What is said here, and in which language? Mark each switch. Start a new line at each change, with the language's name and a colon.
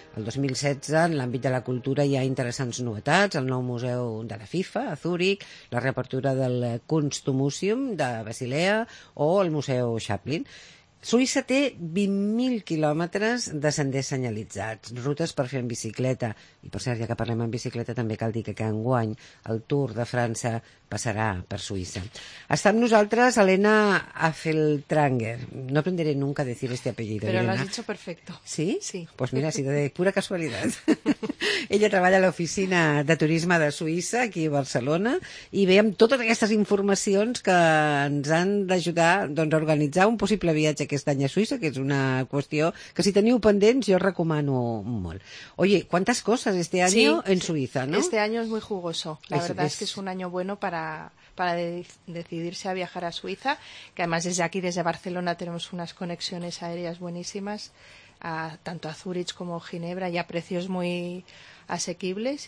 Catalan: El 2016, en l'àmbit de la cultura hi ha interessants novetats: el nou museu de la FIFA a Zúric, la reapertura del Kunstmuseum de Basilea o el museu Chaplin. Suïssa té 20.000 quilòmetres de senders senyalitzats, rutes per fer en bicicleta. I, per cert, ja que parlem en bicicleta, també cal dir que enguany el Tour de França passarà per Suïssa. Està amb nosaltres Elena Afeltranger.
Spanish: No aprendré nunca a decir este apellido, Elena. Pero lo has dicho perfecto. ¿Sí? Sí. Pues mira, ha sido de pura casualidad.
Catalan: Ella treballa a l'oficina de turisme de Suïssa, aquí a Barcelona, i ve amb totes aquestes informacions que ens han d'ajudar, doncs, a organitzar un possible viatge aquest any a Suïssa, que és una qüestió que, si teniu pendents, jo recomano molt.
Spanish: Oye, ¿cuántas cosas este año en Suiza, no? Este año es muy jugoso. La verdad es que es un año bueno para decidirse a viajar a Suiza, que además desde aquí, desde Barcelona, tenemos unas conexiones aéreas buenísimas, tanto a Zúrich como Ginebra, y a precios muy asequibles.